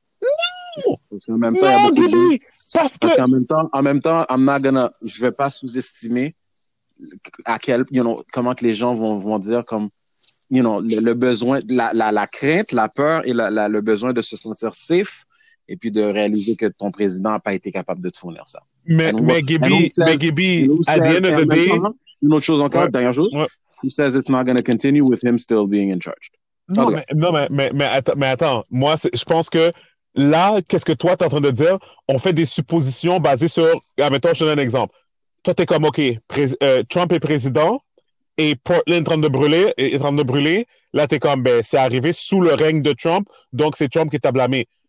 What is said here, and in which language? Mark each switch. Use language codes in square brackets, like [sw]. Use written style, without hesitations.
[fr] Non! Parce qu'en même temps, je vais pas sous-estimer à quel, comment que les gens vont dire comme, le besoin, la crainte, la peur et le besoin de se sentir safe et puis de réaliser que ton président n'a pas été capable de te fournir ça. [en] Mais Gibby, at the end of the day... [fr] Une autre chose encore, dernière chose. Ouais. [en] He says it's not going to continue with him still being in charge. [fr] Non, mais attends. Moi, je pense que là, qu'est-ce que toi, t'es en train de dire? On fait des suppositions basées sur... Admettons, je donne un exemple. Toi, t'es comme, OK, Trump est président et Portland est en train de brûler. Là, t'es comme, ben, c'est arrivé sous le règne de Trump, donc c'est Trump qui t'a blâmé.